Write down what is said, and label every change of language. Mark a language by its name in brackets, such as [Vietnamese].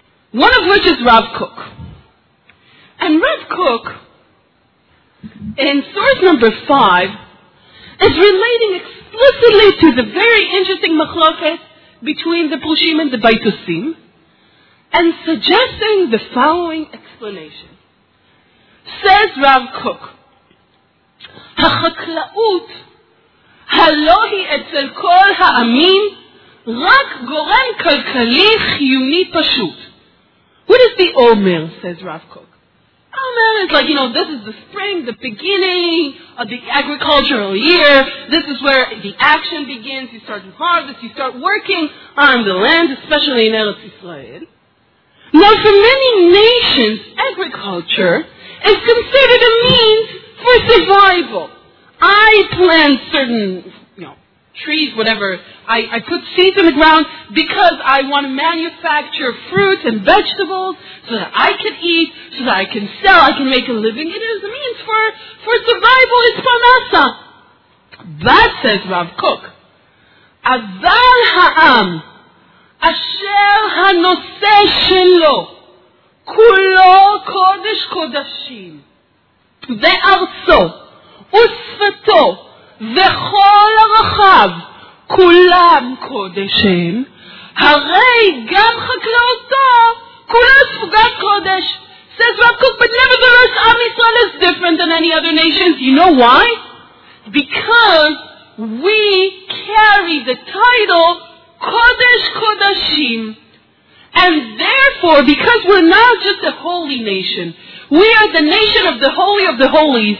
[English] One of which is Rav Kook. And Rav Kook, in source number 5, is relating explicitly to the very interesting machlokes between the Prushim and the Baitosim, and suggesting the following explanation. Says Rav Kook, [Hebrew] "Hachaklaut הלוהי אצל כל העמים רק גורם כלכלי חיוני פשוט." [English] What is the Omer, says Rav Kook? Omer is like, you know, this is the spring, the beginning of the agricultural year. This is where the action begins. You start to harvest, you start working on the land, especially in Eretz Yisrael. Now, for many nations, agriculture is considered a means for survival. I plant certain, you know, trees, whatever. I put seeds in the ground because I want to manufacture fruits and vegetables so that I can eat, so that I can sell, I can make a living. It is a means for survival. It's panasa. That says Rav Kook. [Hebrew] Aval ha'am asher hanoseh shelo kulo kodesh kodashim ve'arso ושפתו וכל הרחב כולם קודשים, הרי גם חקלאותו כולה ספוגת קודש. [English] Says Rav Kook, but nevertheless Am Yisrael is different than any other nations. You know why? Because we carry the title Kodesh Kodashim, and therefore, because we're not just a holy nation, we are the nation of the Holy of the Holies.